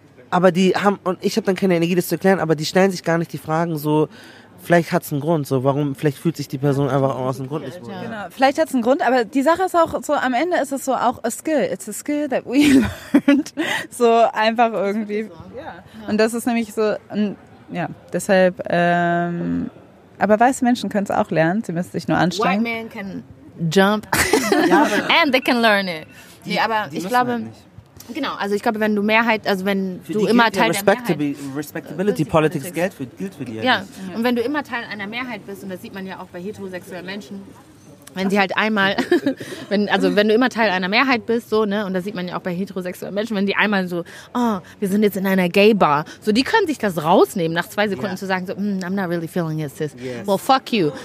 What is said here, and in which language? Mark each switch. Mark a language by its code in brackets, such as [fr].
[de] Aber die haben, und ich habe dann keine Energie, das zu erklären, aber die stellen sich gar nicht die Fragen so, vielleicht hat es einen Grund, so, warum, vielleicht fühlt sich die Person einfach auch aus dem Grund nicht wohl. Genau, vielleicht hat es einen Grund, aber die Sache ist auch so, am Ende ist es so auch [en] a skill, it's a skill that we learned, [de] so einfach irgendwie. Und das ist nämlich so, ja, deshalb, aber weiße Menschen können es auch lernen, sie müssen sich nur anstrengen. [en] White men can jump and they can learn it. [de] Nee, aber ich glaube... Halt genau, also ich glaube, wenn du Mehrheit, also wenn für du immer Teil der Mehrheit... Respectability Politics gilt für dir. Ja, und wenn du immer Teil einer Mehrheit bist, und das sieht man ja auch bei heterosexuellen Menschen, wenn sie halt einmal, wenn du immer Teil einer Mehrheit bist, so, ne, und das sieht man ja auch bei heterosexuellen Menschen, wenn die einmal so, oh, wir sind jetzt in einer Gay-Bar, so, die können sich das rausnehmen, nach 2 Sekunden zu sagen, so, [en] I'm not really feeling it, sis. Yes. Well, fuck you.